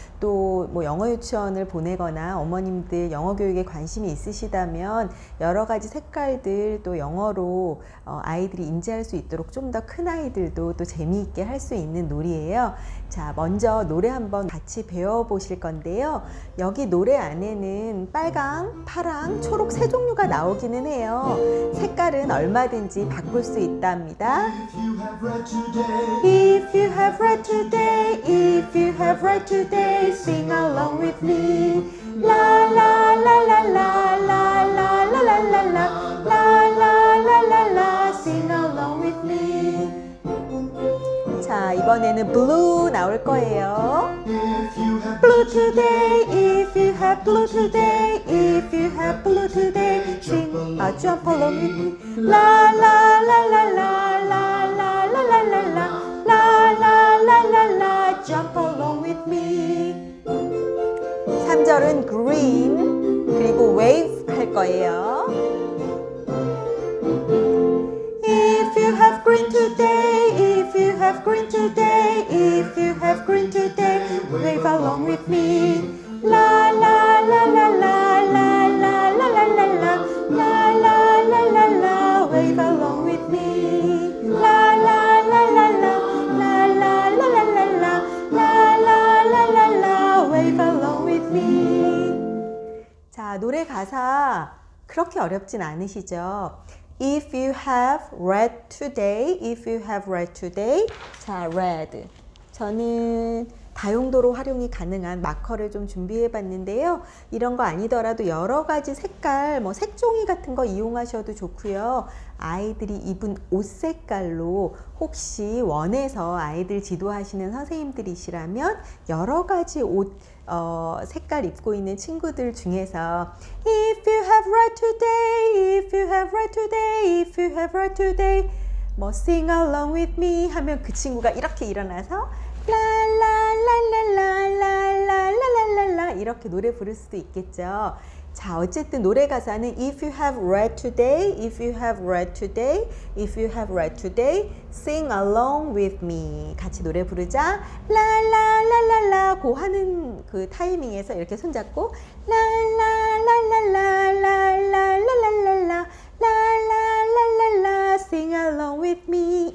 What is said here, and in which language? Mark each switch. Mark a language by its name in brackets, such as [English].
[Korean] 또 뭐 영어 유치원을 보내거나 어머님들 영어 교육에 관심이 있으시다면 여러 가지 색깔들 또 영어로 아이들이 인지할 수 있도록 좀 더 큰 아이들도 또 재미있게 할 수 있는 놀이에요. 자, 먼저 노래 한번 같이 배워보실 건데요. 여기 노래 안에는 빨강, 파랑, 초록 세 종류가 나오기는 해요. 색깔은 얼마든지 바꿀 수 있답니다. [English] If you have red today, if you have red today, sing along with me. La la la la la la la la la la la la la la la la, sing along with me. [Korean] 자, 이번에는 blue 나올 거예요. [English] Blue today, if you have blue today, if you have blue today, sing jump along with me. La la la la la la la la la la la la la la la la, jump along with me. [Korean] 3절은 green, 그리고 wave 할 거예요. [English] If you have green today, if you have green today, if you have green today, wave along with me. La la la la la la la la la la la la la la la la, wave along with me. La la la la la la la la la la la la la la la la, wave along with me. [Korean] 자, 노래 가사 그렇게 어렵진 않으시죠? [English] If you have red today, if you have red today, 자, red. [Korean] 저는 다용도로 활용이 가능한 마커를 좀 준비해 봤는데요. 이런 거 아니더라도 여러 가지 색깔, 뭐 색종이 같은 거 이용하셔도 좋고요. 아이들이 입은 옷 색깔로 혹시 원해서 아이들 지도하시는 선생님들이시라면 여러 가지 옷 색깔 입고 있는 친구들 중에서 [English] If you have red today, [Korean] if you have red today, if you have red today, 뭐 [English] sing along with me [Korean] 하면 그 친구가 이렇게 일어나서 라라라라라라라라라라라 이렇게 노래 부를 수도 있겠죠. 자, 어쨌든 노래 가사는 [English] If you have red today, if you have red today, if you have red today, sing along with me. [Korean] 같이 노래 부르자. 라라라라라, 고 하는 그 타이밍에서 이렇게 손잡고 라라라라라라라라라라라라라라라라, [English] sing along with me.